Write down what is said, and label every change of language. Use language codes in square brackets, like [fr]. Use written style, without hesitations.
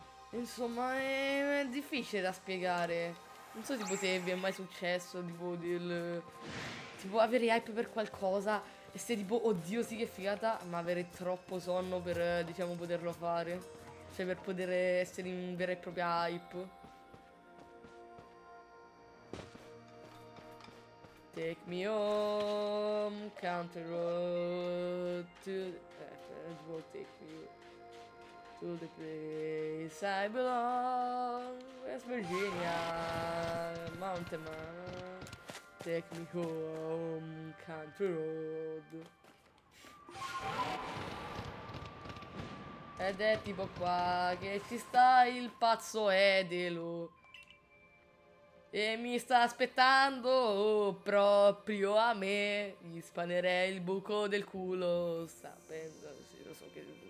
[it] Insomma, è difficile da spiegare. Non so, tipo, se vi è mai successo, tipo, tipo, avere hype per qualcosa e se tipo, oddio, sì, che figata, ma avere troppo sonno per, diciamo, poterlo fare. Cioè, per poter essere in vera e propria hype. [en] Take me home, country road to take me to the place I belong, West Virginia, mountain man. Take me home, country road. [it] Ed è tipo qua che ci sta il pazzo Edelo. E mi sta aspettando proprio a me. Gli spanerei il buco del culo. Sapendo, sì, lo so che.